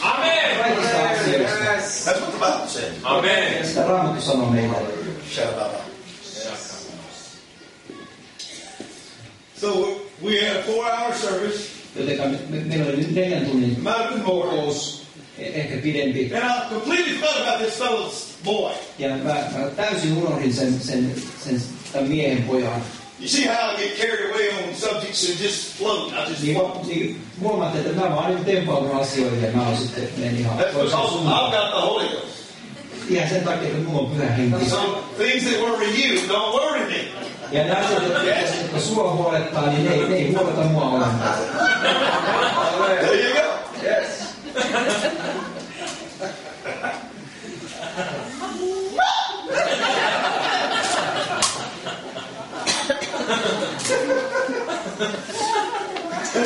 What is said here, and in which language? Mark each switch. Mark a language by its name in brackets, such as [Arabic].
[English] Amen. [Finnish] Kaikista asioista. [English] Yes. That's what the Bible said. Amen. [Finnish] Ja sitä Raamattu sanoo meidät. [English] So we had a 4-hour service. [Finnish] Joten meillä oli 4 tunnin. [English] Might have been more. [Finnish] Ehkä pidempi. [English] And I completely forgot about this fellow's boy. [Finnish] Ja mä täysin unohdin sen tämän miehen pojan. [English] You see how I get carried away on subjects that just float. And